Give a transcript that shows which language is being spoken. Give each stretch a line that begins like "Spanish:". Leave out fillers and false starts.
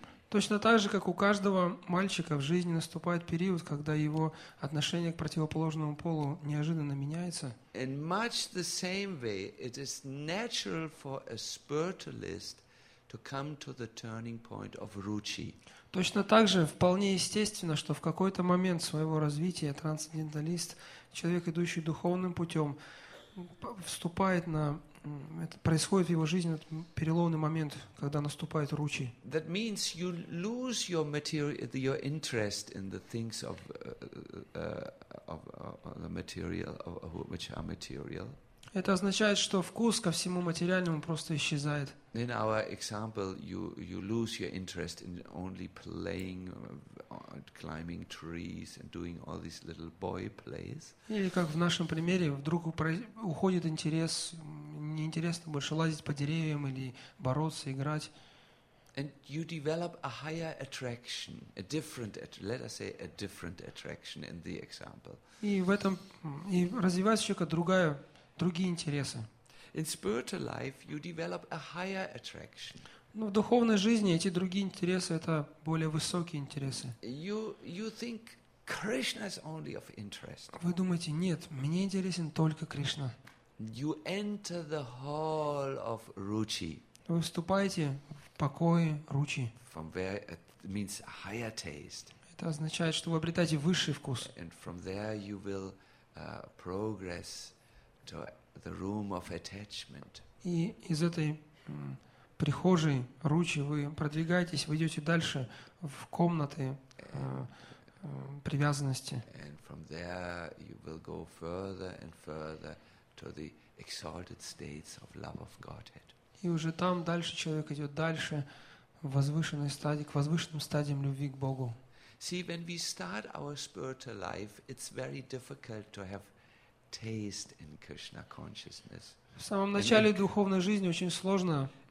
Russian: Точно так же, как у каждого мальчика в жизни наступает период, когда его отношение к противоположному полу неожиданно меняется.
English: In much the same way, it is natural for a spiritualist to come to the turning point of ruchi.
Russian: Точно так же, вполне естественно, что в какой-то момент своего развития трансценденталист, человек, идущий духовным путем, вступает на... Это происходит в его жизни этот переломный момент, когда наступает ручей.
English: That means you lose your material, your interest in the things of the material, which are material.
Russian: Это означает, что вкус ко всему материальному просто исчезает.
English: In our example, you lose your interest in only playing, climbing trees and doing all these little boy plays.
Russian: Или как в нашем примере, вдруг уходит интерес, неинтересно больше лазить по деревьям или бороться, играть.
English: And you develop a higher attraction, a different, let us say, a different attraction in the example.
Russian: И в этом и развивается еще как другая другие интересы.
English: In spiritual life you develop a higher attraction.
Russian: Но в духовной жизни эти другие интересы это более высокие интересы.
English: You think Krishna is only of interest.
Russian: Вы думаете, нет, мне интересен только Кришна.
English: You enter the hall of Ruchi.
Russian: Вы вступаете в покои Ruchi.
English: From where it means a higher taste.
Russian: Это означает, что вы обретаете высший вкус.
English: And from there you will progress to the room of attachment.
Russian: И из этой прихожей ручи вы продвигаетесь, вы идете дальше в комнаты привязанности.
English: And from there you will go further and further to the exalted states of love of Godhead.
Russian: И уже там дальше человек идет дальше в возвышенной стадии, к возвышенным стадиям любви к Богу.
English: See, when we start our spiritual life, it's very difficult to have taste in Krishna consciousness.
Russian: В самом начале духовной жизни очень сложно.